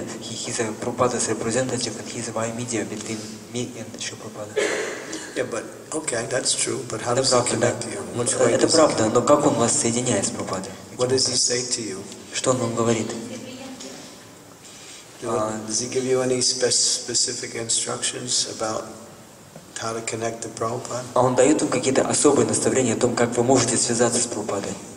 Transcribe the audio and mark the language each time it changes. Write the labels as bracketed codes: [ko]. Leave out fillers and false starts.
[en] He is a Prabhupada's representative, and he is a via media between me and Shri Prabhupada. Yeah, but okay, that's true. But how does he connect you? [ru] Это правда, но как он вас соединяет с Прабхупадой? [en] What does he say to you? [ru] Что он вам говорит? [en] Does he give you any specific instructions about how to connect to Prabhupada? [ru] А он дает вам какие-то особые наставления о том, как вы можете связаться с Прабхупадой?